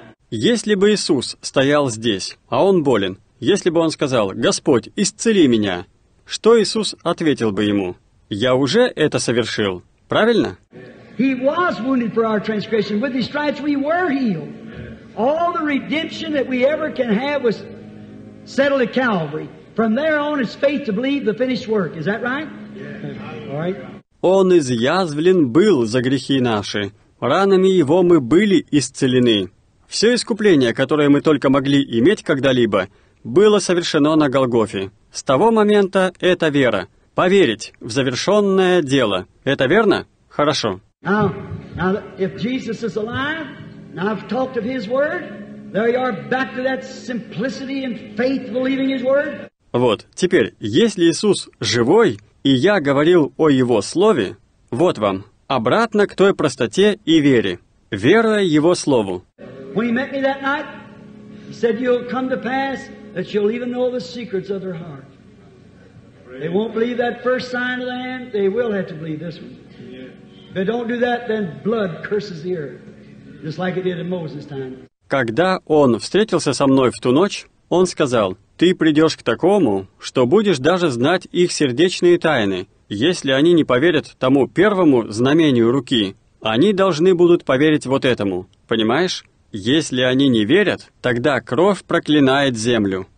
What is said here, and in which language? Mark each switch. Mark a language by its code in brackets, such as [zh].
[ru] Если бы Иисус стоял здесь, а он болен, если бы он сказал «Господь, исцели меня», что Иисус ответил бы ему? «Я уже это совершил». Правильно? [en] He was wounded for our transgression. With his stripes we were healed. All the redemption that we ever can have was settled at Calvary. From there on is faith to believe the finished work. Is that right? Yeah. All right. [ru] Он изъязвлен был за грехи наши. Ранами его мы были исцелены. Все искупление, которое мы только могли иметь когда-либо, было совершено на Голгофе. С того момента это вера. Поверить в завершенное дело. Это верно? Хорошо. [en] Now, if Jesus is alive, and I've talked of His Word, there you are back to that simplicity and faith believing His Word. [ru] Вот, теперь, если Иисус живой, и я говорил о Его Слове, вот вам, обратно к той простоте и вере, веруя Его Слову. [en] When He met me that night, He said, you'll come to pass that you'll even know the secrets of their heart. They won't believe that first sign of the hand, they will have to believe this one. If they don't do that, then blood curses the earth, just like it did in Moses' time. [ru] Когда он встретился со мной в ту ночь, он сказал, «Ты придешь к такому, что будешь даже знать их сердечные тайны. Если они не поверят тому первому знамению руки, они должны будут поверить вот этому». Понимаешь? Если они не верят, тогда кровь проклинает землю.